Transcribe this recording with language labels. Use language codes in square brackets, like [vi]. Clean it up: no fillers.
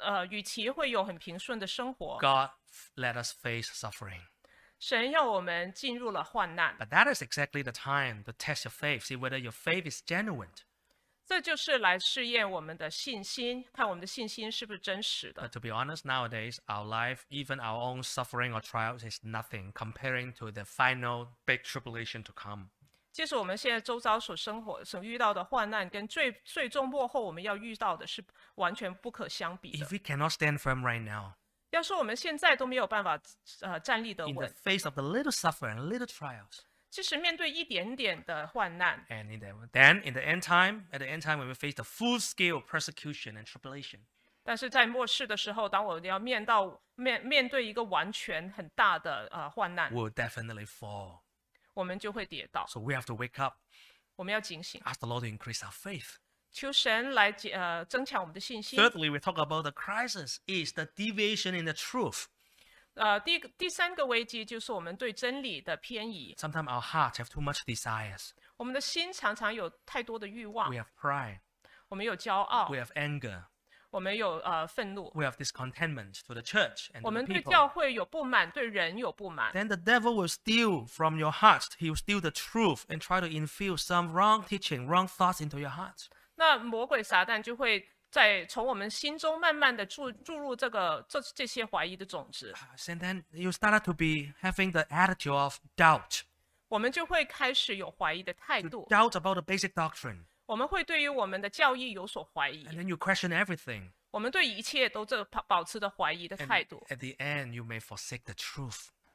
[zh] 与其会有很平顺的生活, [en] God let us face suffering. [zh] 神要我们进入了患难。 [en] But that is exactly the time to test your faith, see whether your faith is genuine. [zh] 这就是来试验我们的信心, 看我们的信心是不是真实的。 [en] But to be honest, nowadays, our life, even our own suffering or trials is nothing comparing to the final big tribulation to come. [zh] 即使我们现在周遭所遇到的患难跟最终末后我们要遇到的是完全不可相比的。 [en] If we cannot stand firm right now, [zh] 要是我们现在都没有办法, 站立得稳, [en] in the face of the little suffering, little trials, [zh] 即使面对一点点的患难, [en] and in the, then in the end time, at the end time when we face the full scale persecution and tribulation. [zh] 但是在末世的时候, 当我要面到, 面对一个完全很大的, 患难, [en] we'll definitely fall. [zh] 我们就会跌倒。 [en] So we have to wake up. [zh] 我们要警醒。 [en] Ask the Lord to increase our faith. [zh] 求神来, 增强我们的信心。 [en] Thirdly, we talk about the crisis is the deviation in the truth. [zh] 第三个危机就是我们对真理的偏移。 [en] Sometimes our hearts have too much desires. [zh] 我们的心常常有太多的欲望。 [en] We have pride. [zh] 我们有骄傲。 [en] We have anger. [zh] 我们有, 愤怒。 [en] We have discontentment to the church and to the people. [zh] 我们对教会有不满, 对人有不满。 [en] Then the devil will steal from your hearts. He will steal the truth and try to infuse some wrong teaching, wrong thoughts into your hearts. [zh] 那魔鬼撒旦就会 在从我们心中慢慢地注入这些怀疑的种子。 [en] And then you started to be having the attitude of doubt. [zh] 我们就会开始有怀疑的态度。 [en] Doubt about the basic doctrine. [zh] 我们会对于我们的教义有所怀疑。 [en] And then you question everything. [zh] 我们对一切都保持着怀疑的态度。 [en] At the end, you may forsake the truth.